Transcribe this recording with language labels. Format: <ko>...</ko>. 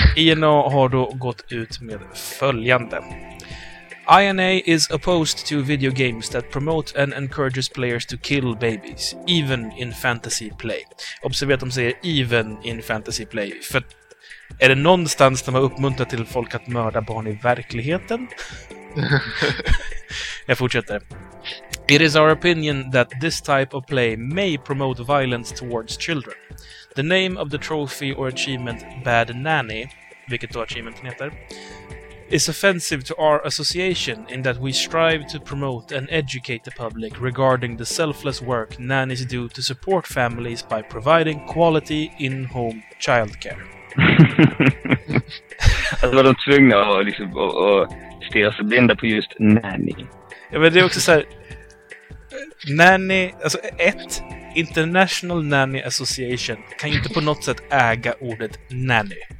<sv>INA har då gått ut med följande:</sv> <en>INA is opposed to video games that promote and encourages players to kill babies, even in fantasy play.</en> <sv>Observera att de säger</sv> <en>even in fantasy play,</en> <sv>för är det någonstans de har uppmuntrat till folk att mörda barn i verkligheten? Jag fortsätter.</sv> <en>It is our opinion that this type of play may promote violence towards children. The name of the trophy or achievement Bad Nanny,</en> <sv>vilket då achievementen heter,</sv> <en>is offensive to our association in that we strive to promote and educate the public regarding the selfless work nannies do to support families by providing quality in-home childcare.</en> <sv>Alltså var de tvungna att stirra sig blinda på just nanny? Ja, men det är också så här, nanny, alltså ett, International Nanny Association kan ju inte på något sätt äga ordet nanny.</sv>